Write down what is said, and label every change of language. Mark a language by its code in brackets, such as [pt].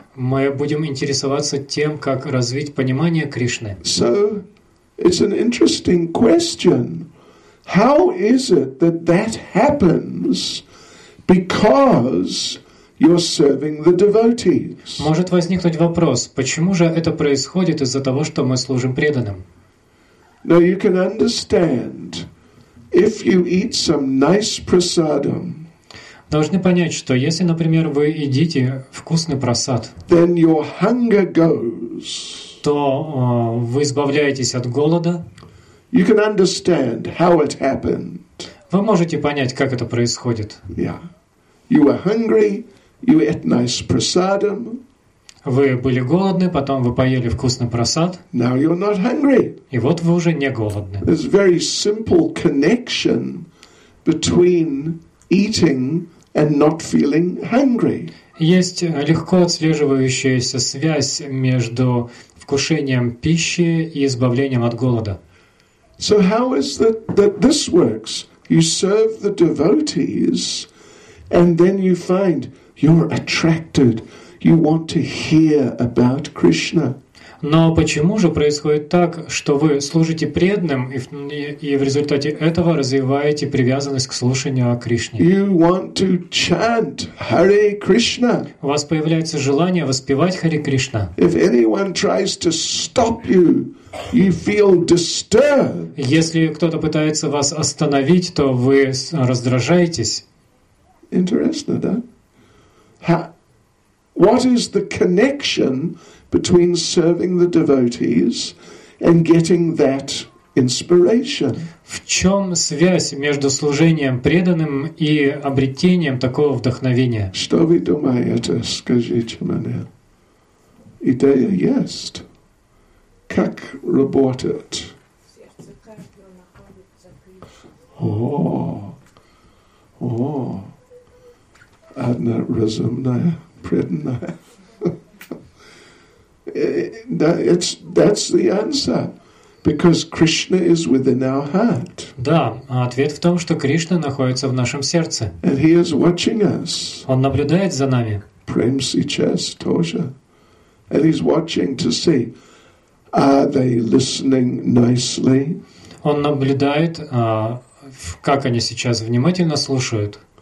[ru] Мы будем интересоваться тем, как развить понимание Кришны. [en] So, it's an interesting question. How is it that that happens because you're serving the devotees? [ru] Может возникнуть вопрос, почему же это происходит из-за того, что мы служим преданным? [en] Now you can understand, if you eat some nice prasadam, [ru] должны понять, что если, например, вы едите вкусный просад, [en] then your hunger goes, [ru] то вы избавляетесь от голода. [en] You can understand how it happened. [ru] Вы можете понять, как это происходит. [en] Yeah. You were hungry, you ate nice prasadam. [ru] Вы были голодны, потом вы поели вкусный просад. [en] Now you're not hungry. [ru] И вот вы уже не голодны. [en] There's a very simple connection between eating and not feeling hungry. [ru] Есть легко отслеживающаяся связь между вкушением пищи и избавлением от голода. [en] So how is that this works? You serve the devotees, and then you find you're attracted. You want to hear about Krishna. [ru] Но почему же происходит так, что вы служите преданным и в результате этого развиваете привязанность к слушанию о Кришне? [en] You want to chant Hare Krishna. [ru] У вас появляется желание воспевать Харе Кришна. [en] If anyone tries to stop you, you feel disturbed. [ru] Если кто-то пытается вас остановить, то вы раздражаетесь. Интересно, да? [en] What is the connection between serving the devotees and getting that inspiration? [ru] В чём связь между служением преданным и обретением такого вдохновения? Что вы думаете, скажите мне? Идея есть. Как работать? О! Одна разумная преданная. [en] That's the answer, because Krishna is within our heart. [ru] Да, ответ в том, что Кришна находится в нашем сердце. [en] And he is watching us. [ru] Он наблюдает за нами. Prem сейчас тоже. [en] And he's watching to see, are they listening nicely? [ru] Он наблюдает, как они сейчас внимательно слушают.